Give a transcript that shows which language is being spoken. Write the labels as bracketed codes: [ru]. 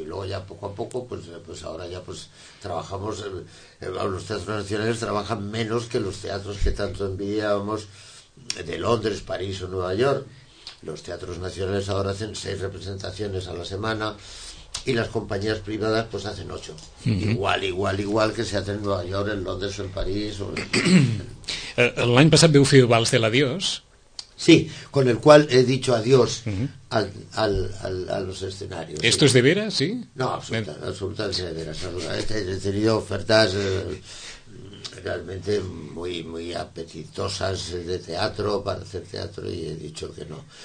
[es] Y luego ya poco a poco, pues ahora ya pues trabajamos, los teatros nacionales trabajan menos que los teatros que tanto envidiábamos, de Londres, París o Nueva York. Los teatros nacionales ahora hacen 6 representaciones a la semana y las compañías privadas pues hacen 8. Uh-huh. Igual que se hacen en Nueva York, en Londres o en París. O... [ca] L'any passat veu fer Vals de l'Adiós. [es] Sí, con el cual he dicho adiós uh-huh. a los escenarios. ¿Esto sí. es de veras, sí? No, absolutamente de veras. He tenido ofertas... realmente muy muy apetitosas de teatro, para hacer teatro, y he dicho que no.